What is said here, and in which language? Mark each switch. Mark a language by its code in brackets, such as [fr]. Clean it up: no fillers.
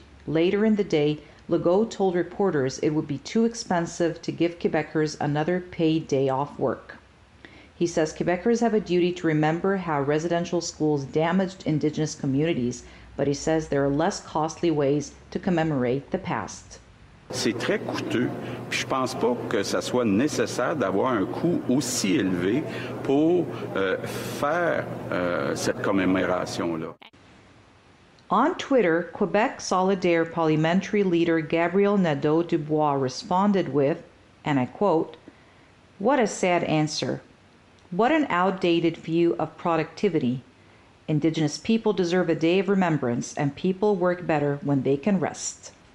[en] Later in the day, Legault told reporters it would be too expensive to give Quebecers another paid day off work. He says Quebecers have a duty to remember how residential schools damaged Indigenous communities, but he says there are less costly ways to commemorate the past. [fr] C'est très coûteux, puis je pense pas que ça soit nécessaire d'avoir un coût aussi élevé pour faire cette commémoration-là. [en] On Twitter, Quebec Solidaire parliamentary leader Gabriel Nadeau-Dubois responded with, and I quote, "What a sad answer. What an outdated view of productivity. Indigenous people deserve a day of remembrance, and people work better when they can rest."